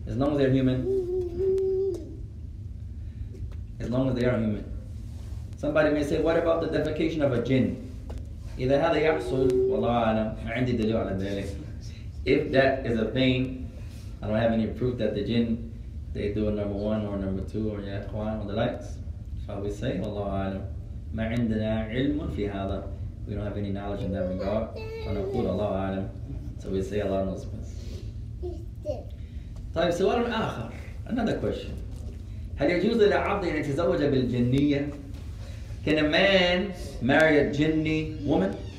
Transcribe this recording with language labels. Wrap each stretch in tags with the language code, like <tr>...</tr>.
<en>As long as they're human. As long as they are human. Somebody may say, what about the defecation of a jinn?</en> <ar>إِذَا هَذَا يَحْصُلْ وَاللَّهُ أَعْلَمْ عَنْدِي دَلِيلٌ عَلَى ذَلِكَ.</ar> <en>If that is a thing, I don't have any proof that the jinn, they do a number one or number two or ya ikhwan or the likes. So we say,</en> <ar>وَاللَّهُ أَعْلَمْ مَا عِنْدِنَا عِلْمٌ فِي هَذَا.</ar> <en>We don't have any knowledge in that regard.</en> <ar>فَنَقُولْ وَاللَّهُ أَعْلَمْ.</ar> <en>So we say Allah knows best.</en> <ar>طيب سؤال آخر.</ar> <en>Another question.</en> <ar>هل يجوز للعبد أن يتزوج بالجنية؟</ar> <en>Can a man marry a jinni woman?</en>